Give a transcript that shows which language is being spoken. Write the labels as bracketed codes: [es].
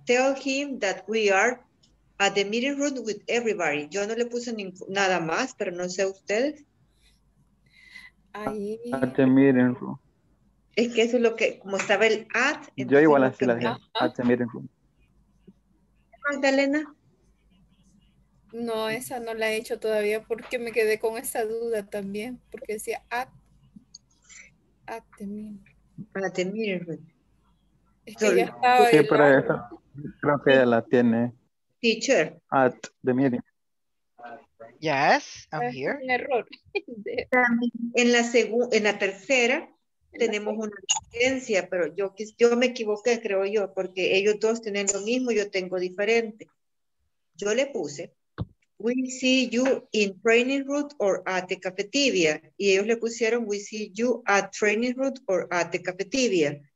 [en] Tell him that we are at the meeting room with everybody. [es] Yo no le puse nada más, pero no sé ustedes. [en] At the meeting room. [es] Es que eso es lo que, como estaba el at. Yo igual así la dije. [en] At the meeting room. [es] Magdalena. No, esa no la he hecho todavía porque me quedé con esa duda también. [en] Porque decía at the meeting room. At the meeting room. [es] Es que ya estaba. Sí, pero esa creo que ya la tiene. [en] Teacher. At the meeting. Yes, I'm here. [es] Un error. En la tercera tenemos una diferencia, pero yo me equivoqué, creo yo, porque ellos dos tienen lo mismo, yo tengo diferente. Yo le puse. [en] We see you in training route or at the cafeteria. [es] Y ellos le pusieron, [en] we see you at training route or at the cafeteria.